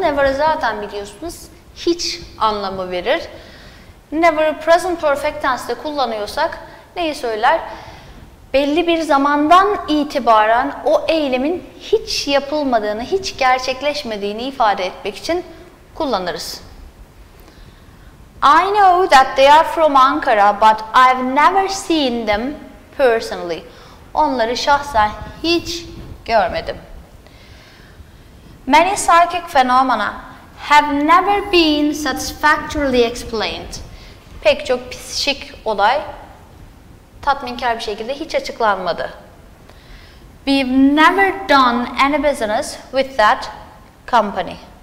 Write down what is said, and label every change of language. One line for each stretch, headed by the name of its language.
Turkish: Never'ı zaten biliyorsunuz hiç anlamı verir. Never'ı present perfect tense'de kullanıyorsak neyi söyler? Belli bir zamandan itibaren o eylemin hiç yapılmadığını, hiç gerçekleşmediğini ifade etmek için kullanırız.
English: I know that they are from Ankara, but I've never seen them personally.
Turkish: Onları şahsen hiç görmedim.
English: Many psychic phenomena have never been satisfactorily explained.
Turkish: Pek çok psikik olay tatminkar bir şekilde hiç açıklanmadı.
English: We've never done any business with that company.